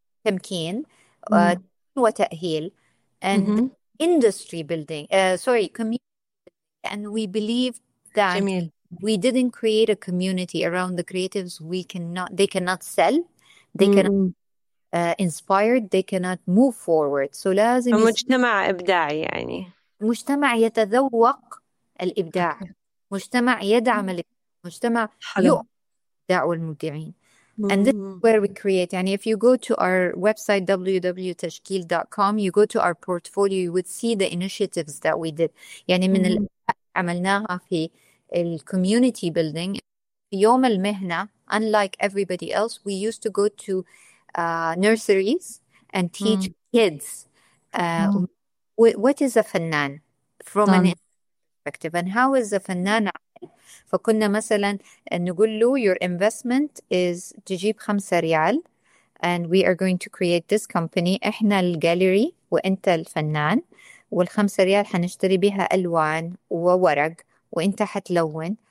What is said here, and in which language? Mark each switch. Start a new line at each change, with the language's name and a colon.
Arabic: تمكين. وتأهيل.
English: And industry building. Sorry, community. And we believe that
Arabic: جميل.
English: we didn't create a community around the creatives. We cannot, they cannot sell, they cannot inspire, they cannot move forward. So
Arabic: لازم مجتمع إبداعي يعني. مجتمع يتذوق الإبداع، مجتمع يدعم الإبداع، مجتمع حلو. يؤمن الإبداع والمبدعين.
English: And this is where we create. يعني if you go to our website www.tashkil.com, you go to our portfolio, you would see the initiatives that we did.
Arabic: يعني من عملناها في ال
English: community building.
Arabic: في يوم المهنة،
English: unlike everybody else, we used to go to nurseries and teach kids what is a فنان from an perspective and how is a فنان.
Arabic: فكنا مثلا نقول له
English: your investment is
Arabic: تجيب 5 ريال
English: and we are going to create this company.
Arabic: إحنا الجاليري وإنت الفنان، وال5 ريال حنشتري بيها ألوان وورق وإنت حتلون.